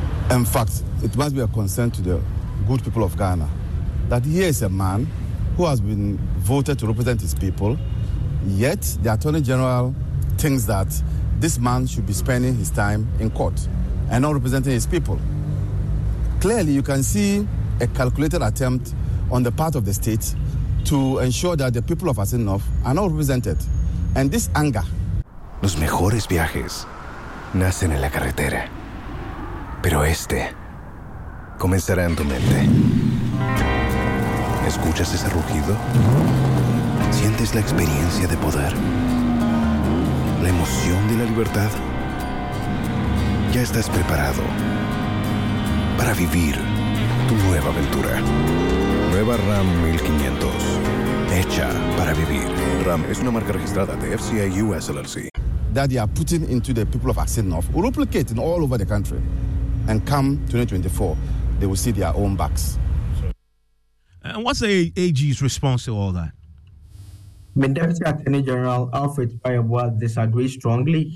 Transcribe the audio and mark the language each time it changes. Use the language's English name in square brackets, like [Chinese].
[English] In fact, it must be a concern to the good people of Ghana that here is a man who has been voted to represent his people, yet the Attorney General thinks that this man should be spending his time in court and not representing his people. Clearly, you can see a calculated attempt on the part of the state to ensure that the people of Aseng North are not represented. And this anger. [Spanish] Los mejores viajes nacen en la carretera, pero este comenzará en tu mente. ¿Escuchas ese rugido? ¿Sientes la experiencia de poder? ¿La emoción de la libertad? Ya estás preparado para vivir tu nueva aventura. Nueva Ram 1500. Hecha para vivir. Ram es una marca registrada de FCA US LLC. [English] That they are putting into the people of Aseng North will replicate in all over the country. And come 2024, they will see their own backs. And what's the AG's response to all that? I mean, Deputy Attorney General Alfred Bayabua disagrees strongly.